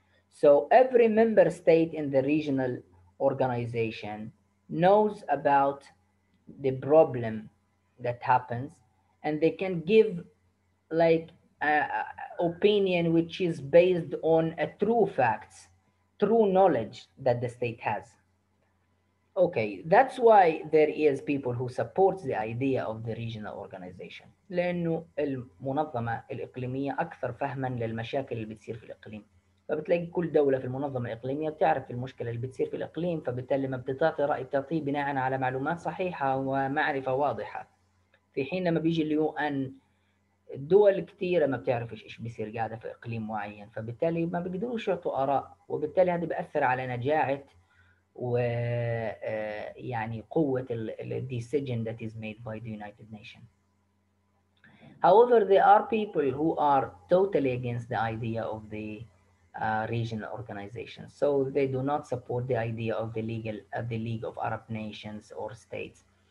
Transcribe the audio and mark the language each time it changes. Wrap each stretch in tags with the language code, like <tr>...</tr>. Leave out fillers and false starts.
<en>So every member state in the regional organization knows about the problem that happens, and they can give like an opinion which is based on a true facts, true knowledge that the state has. Okay, that's why there is people who support the idea of the regional organization.</en> <ar>لأنه المنظمة الإقليمية أكثر فهماً للمشاكل اللي بتصير في الإقليم. فبتلاقي كل دولة في المنظمة الإقليمية بتعرف المشكلة اللي بتصير في الإقليم، فبالتالي ما بتعطي رأي بتعطيه بناءً على معلومات صحيحة ومعرفة واضحة. في حين لما بيجي اليو أن الدول كتيرة ما بتعرفش إيش بيصير قاعدة في إقليم معين، فبالتالي ما بيقدروش يعطوا آراء، وبالتالي هذا بيأثر على نجاعة و يعني قوة ال</ar> <en>decision that is made by the United Nations. However, there are people who are totally against the idea of the regional organization. So they do not support the idea of the legal of the League of Arab Nations or states.</en>